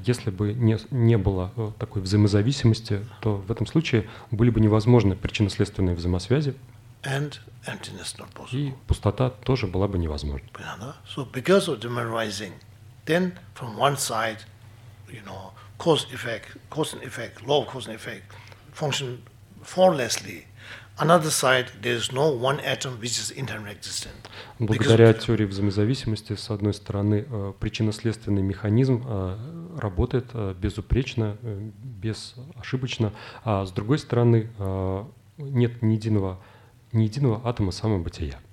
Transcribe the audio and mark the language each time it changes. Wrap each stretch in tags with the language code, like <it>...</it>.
<ru>Если бы не было такой взаимозависимости, то в этом случае были бы невозможны причинно-следственные взаимосвязи.</ru> <en>And emptiness not possible.</en> <ru>И пустота тоже была бы невозможна. Понятно?</ru> <en>So because of dependent arising, then from one side, you know, cause effect, law of cause and effect function formlessly. Another side, there is no one atom which is interdependent.</en> <ru>Благодаря теории взаимозависимости, с одной стороны, причинно-следственный механизм работает безупречно, безошибочно, а с другой стороны, нет ни единого атома самобытия.</ru>